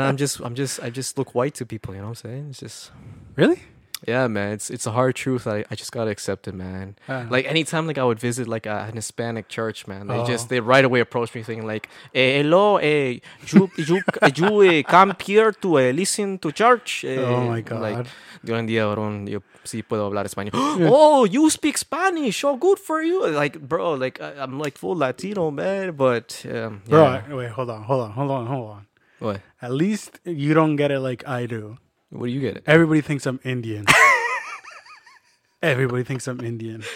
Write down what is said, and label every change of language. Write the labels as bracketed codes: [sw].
[en] I just look white to people, you know what I'm saying? It's just really... Yeah, man, it's a hard truth. I just gotta accept it, man. Like anytime, like I would visit like an Hispanic church, man. They right away approached me, thinking like, hey, "Hello, you come here to listen to church?" Oh my god! Like, [es] "Dios en día, varón, yo sí puedo hablar español." [en] Oh, you speak Spanish? Oh, good for you! Like, bro, like I'm like full Latino, man. But yeah. Bro, wait, hold on. What? At least you don't get it like I do. What do you get? Everybody thinks I'm Indian. Everybody thinks I'm Indian.